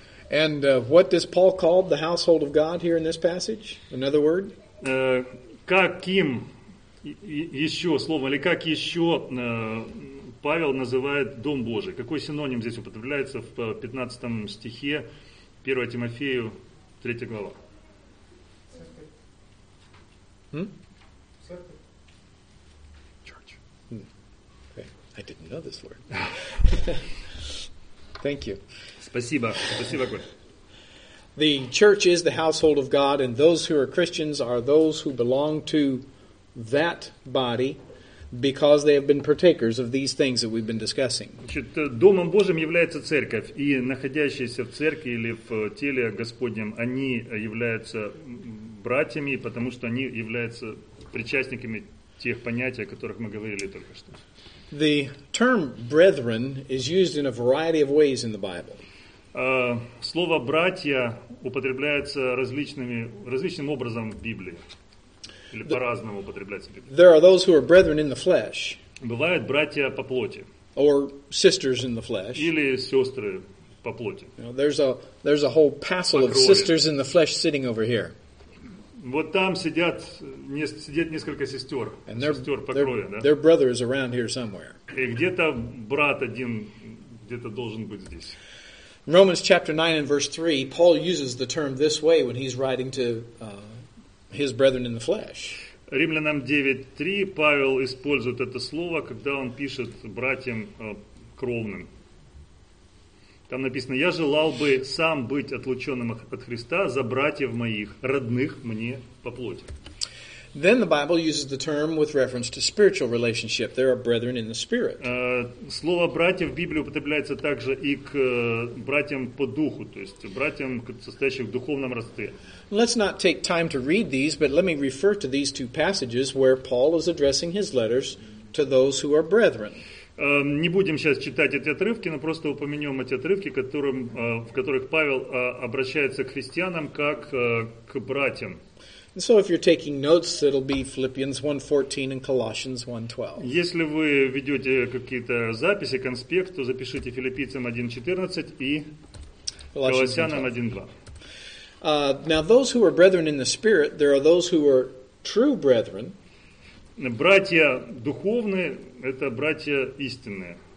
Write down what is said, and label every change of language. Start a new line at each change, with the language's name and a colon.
English: And what does Paul call the household of God here in this passage? Another word?
Russian: Каким еще словом, или как еще Павел называет дом Божий? Какой синоним здесь употребляется в 15 стихе 1 Тимофею? Третья глава.
English: Church. Okay. I didn't know this word. Thank you.
Russian: Спасибо. Спасибо, Коль.
English: The church is the household of God, and those who are Christians are those who belong to that body because they have been partakers of these things that we've been discussing.
Russian: Значит, домом Божьим является церковь, и находящиеся в церкви или в теле Господнем, они являются братьями, потому что они являются причастниками тех понятий, о которых мы говорили только что.
English: The term brethren is used in a variety of ways in the Bible.
Russian: Слово «братья» употребляется различным образом в Библии. Или по-разному употребляется в Библии.
English: There are those who are brethren in the flesh.
Russian: Бывают братья по плоти.
English: Or sisters in the flesh.
Russian: Или сестры по плоти.
English: You know, there's a whole passel of sisters in the flesh sitting over here.
Russian: Вот там сидят несколько сестер.
English: And
Russian: сестер по крови, да?
English: Their brother is around here somewhere.
Russian: И где-то брат один где-то должен быть здесь.
English: Romans chapter 9 and verse 3, Paul uses the term this way when he's writing to his brethren in the flesh.
Russian: Римлянам 9:3 Павел использует это слово, когда он пишет братьям кровным. Там написано: «Я желал бы сам быть отлученным от Христа за братьев моих, родных мне по плоти».
English: Then the Bible uses the term with reference to spiritual relationship. There are brethren in the spirit.
Russian: Слово «братья» в Библии употребляется также и к братьям по духу, то есть братьям, состоящим в духовном родстве.
English: Let's not take time to read these, but let me refer to these two passages where Paul is addressing his letters to those who are brethren.
Russian: Не будем сейчас читать эти отрывки, но просто упомянем эти отрывки, в которых Павел обращается к христианам как к братьям.
English: So if you're taking notes, it'll be Philippians 1:14 and Colossians 1:12.
Russian: Если вы ведете какие-то записи, конспект, то запишите Филиппийцам 1:14 и Колоссянам 1:2.
English: Now those who are brethren in the spirit, there are those who are true brethren.
Russian: Братья духовные – это братья истинные.